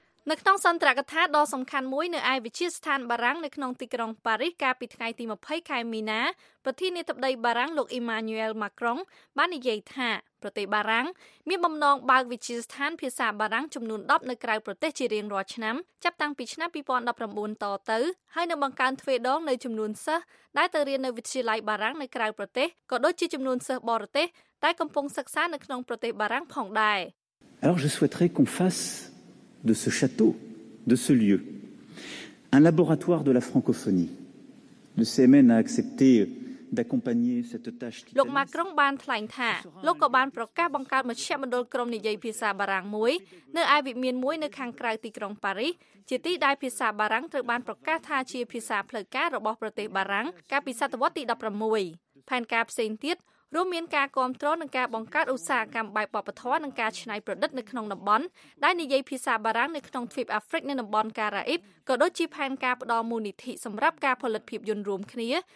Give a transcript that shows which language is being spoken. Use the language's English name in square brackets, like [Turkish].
[Khmer] នៅក្នុងសន្ទរកថាដ៏សំខាន់មួយនៅឯវិទ្យាស្ថានបារាំងនៅក្នុងទីក្រុងប៉ារីសកាលពីថ្ងៃទី20ខែមីនាប្រធានាធិបតីបារាំងលោក Emmanuel Macron បាននិយាយថាប្រទេសបារាំងមានបំណងបើកវិទ្យាស្ថានភាសាបារាំងចំនួន10នៅក្រៅប្រទេសជារៀងរាល់ឆ្នាំចាប់តាំងពីឆ្នាំ2019តទៅហើយនឹងបង្កើនទ្វេដងនៅចំនួនសិស្សដែលទៅរៀននៅវិទ្យាល័យបារាំងនៅក្រៅប្រទេសក៏ដូចជាចំនួនសិស្សបរទេសដែលកំពុងសិក្សានៅក្នុងប្រទេសបារាំងផងដែរ [French] Alors je souhaiterais qu'on fassede ce château, de ce lieu, un laboratoire de la francophonie. Le CMN a accepté d'accompagner cette tâche. [Khmer] លោក Macron បានថ្លែងថាលោកក៏បានប្រកាសបង្កើតមជ្ឈមណ្ឌលក្រុមនិយាយភាសាបារាំងមួយនៅឯវិមានមួយនៅខាងក្រៅទីក្រុងប៉ារីសជាទីដែលភាសាបារាំងត្រូវបានប្រកាសថាជាភាសាផ្លូវការរបស់ប្រទេសបារាំងកាលពីសតវត្សរ៍ទី16ផែនការផ្សេងទៀតរួមមានការគ្រប់គ្រងនិងការបង្កើតឧស្សាហកម្មបែបបព្វធម៌និងការច្នៃប្រឌិតនៅក្នុងតំបន់ដែលនិយាយភាសាបារាំងនៅក្នុងទ្វីបអាហ្វ្រិកនៅតំបន់ការ៉ាអ៊ីបក៏ដូចជាផែនការផ្តល់មូលនិធិសម្រាប់ការផលិតភាពយន្តរួមគ្នា